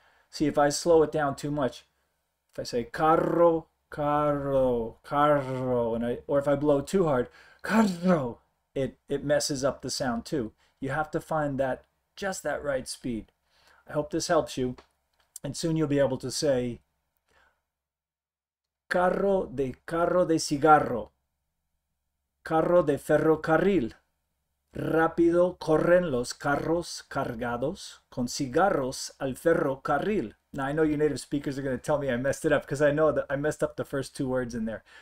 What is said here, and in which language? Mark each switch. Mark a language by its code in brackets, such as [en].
[en] See, if I slow it down too much, if I say carro, carro, carro, and I or if I blow too hard, carro, it messes up the sound too. You have to find that just that right speed. I hope this helps you, and soon you'll be able to say [es] carro de cigarro. Carro de ferrocarril. Rápido corren los carros cargados con cigarros al ferrocarril. [en] Now, I know you native speakers are going to tell me I messed it up because I know that I messed up the first two words in there.